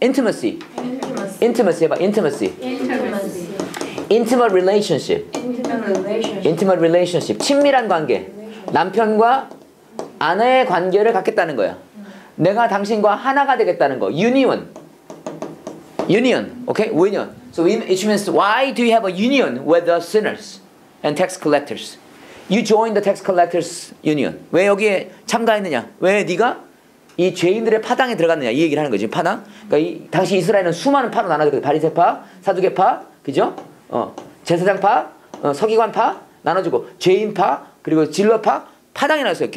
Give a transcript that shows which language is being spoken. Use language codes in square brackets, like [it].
[en] Intimacy. Intimacy. Intimacy [ko] 해봐. [en] Intimacy. Intimacy. Intimate relationship. Intimate relationship. [ko] 친밀한 관계. 남편과 아내의 관계를 갖겠다는 거야. 내가 당신과 하나가 되겠다는 거. [en] 유니언. 유니언. 오케이? 유니언. So it means why do you have a union with the sinners and tax collectors? You join the tax collectors union. [ko] 왜 여기에 참가했느냐? 왜 네가 이 죄인들의 파당에 들어갔느냐? 이 얘기를 하는 거지. 파당. 그러니까 당시 이스라엘은 수많은 파로 나눠져. 바리새파, 사두개파, 그죠? 제사장파, 서기관파 나눠주고 죄인파 그리고 진로파 파당이 나왔어요.